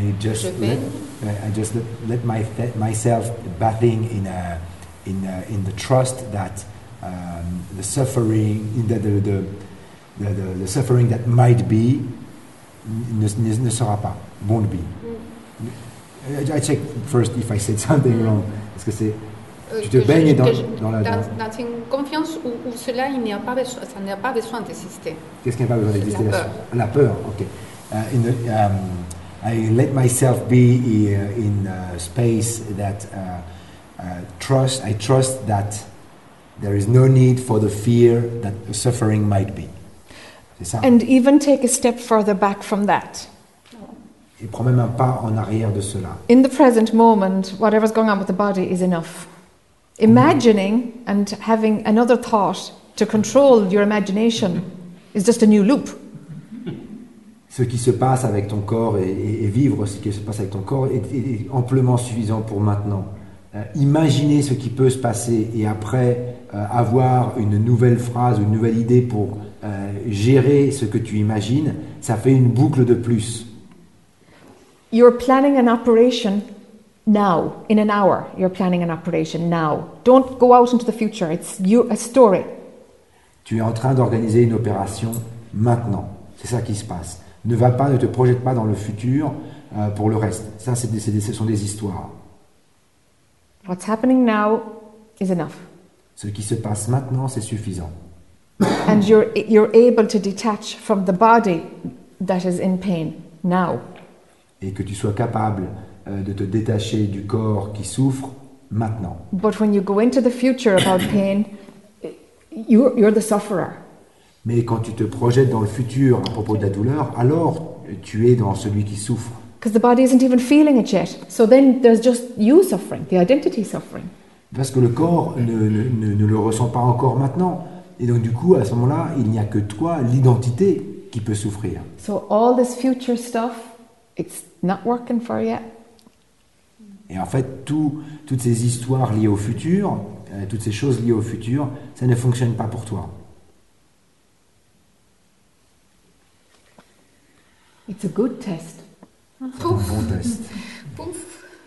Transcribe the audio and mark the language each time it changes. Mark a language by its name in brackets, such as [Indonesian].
[English] I just let myself bathing in the trust that the suffering in the suffering that might be [French] ne sera pas, [English] won't be. I check first if I said something wrong. [French] Est-ce que c'est tu te baignes dans la dans une confiance où cela il n'y a pas besoin, ça n'y a pas besoin d'exister. Qu'est-ce qui n'y a pas besoin d'exister? La peur. La peur. Ok. [English] I let myself be in a space that I trust that there is no need for the fear that the suffering might be. [French] C'est ça. [English] And even take a step further back from that. [French] Et prends même un pas en arrière de cela. [English] In the present moment, whatever's going on with the body is enough. Imagining and having another thought to control your imagination is just a new loop. [French] Ce qui se passe avec ton corps et vivre ce qui se passe avec ton corps est amplement suffisant pour maintenant. imaginer ce qui peut se passer et après avoir une nouvelle phrase, une nouvelle idée pour gérer ce que tu imagines, ça fait une boucle de plus. [English] You're planning an operation now, in an hour. You're planning an operation now. Don't go out into the future. It's you, a story. [French] Tu es en train d'organiser une opération maintenant. C'est ça qui se passe. Ne va pas, ne te projette pas dans le futur pour le reste. Ça, ce sont des histoires. [English] What's happening now is enough. [French] Ce qui se passe maintenant, c'est suffisant. [English] And you're able to detach from the body that is in pain now. [French] Et que tu sois capable de te détacher du corps qui souffre maintenant. [English] But when you go into the future about pain, you're the sufferer. [French] Mais quand tu te projettes dans le futur à propos de la douleur, alors tu es dans celui qui souffre. [English] Because the body isn't even feeling it yet. So then there's just you suffering, the identity suffering. [French] Parce que le corps ne le ressent pas encore maintenant. Et donc du coup, à ce moment-là, il n'y a que toi, l'identité, qui peut souffrir. [English] So all this future stuff, it's not working for yet. [French] Et en fait, toutes ces histoires liées au futur, toutes ces choses liées au futur, ça ne fonctionne pas pour toi. [English] It's a good test. [French] C'est un bon test. Pouf.